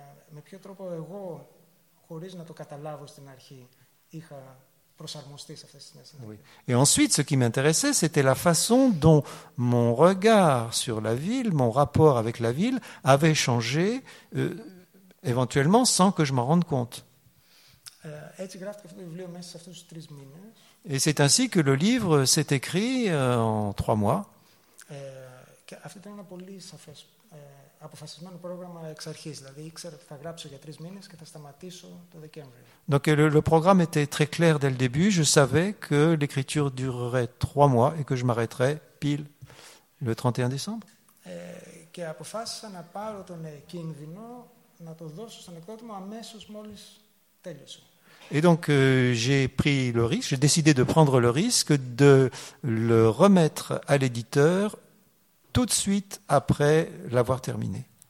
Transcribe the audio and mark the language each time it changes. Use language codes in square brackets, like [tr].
[el] Με ποιο τρόπο εγώ, χωρίς να το καταλάβω στην αρχή, είχα προσαρμοστεί σε αυτές τις νέες συνθήκες. [fr] Et ensuite, ce qui m'intéressait, c'était la façon dont mon regard sur la ville, mon rapport avec la ville, avait changé, éventuellement, sans que je m'en rende compte. [el] Έτσι γράφτηκε αυτό το βιβλίο μέσα σε αυτούς τους τρεις μήνες. [fr] Et c'est ainsi que le livre s'est écrit en trois mois. [el] Και αυτό ήταν ένα πολύ σαφές αποφασισμένο πρόγραμμα εξ αρχής. Δηλαδή ήξερα ότι θα γράψω για τρεις μήνες και θα σταματήσω το Δεκέμβριο. [fr] Donc le programme était très clair dès le début. Je savais que l'écriture durerait 3 mois et que je m'arrêterais pile le 31 décembre. [el] Και αποφάσισα να πάρω τον κίνδυνο να το δώσω στον εκδότη αμέσως μόλις τέλειωσε. [fr] Et donc j'ai pris le risque, j'ai décidé de prendre le risque de le remettre à l'éditeur tout de suite après l'avoir terminé.